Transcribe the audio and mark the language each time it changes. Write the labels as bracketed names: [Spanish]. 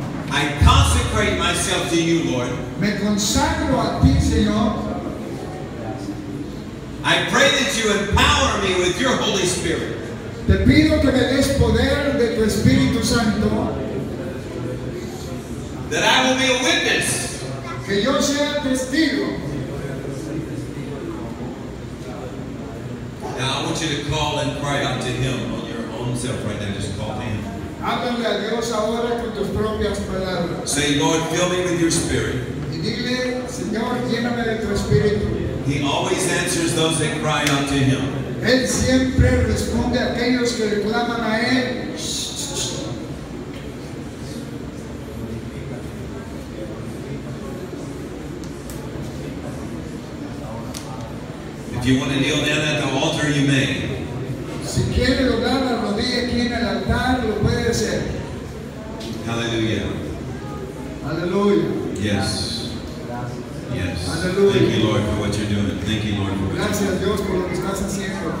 [English] I consecrate myself to you, Lord. [Spanish] Me consagro a ti, Señor. [English] I pray that you empower me with your Holy Spirit. [Spanish] Te pido que me des poder de tu Espíritu Santo. [English] That I will be a witness. [Spanish] Que yo sea testigo. [English] Now I want you to call and cry out to Him on your own self right now. Just call to Him. [Spanish] Háblale a Dios ahora con tus propias palabras. [English] Say, Lord, fill me with your Spirit. [Spanish] Y dile, Señor, lléname de tu Espíritu. [English] He always answers those that cry out to Him. [Spanish] Él siempre responde a aquellos que le claman a Él. [English] If you want to kneel down at the altar, you may. [Spanish] Si quiere doblar la rodilla aquí en el altar, lo puede hacer. [English] Hallelujah. Hallelujah. Yes. Yes. Hallelujah. Thank you, Lord, for what you're doing. Thank you, Lord, for [Spanish] Gracias a Dios por lo que estás haciendo.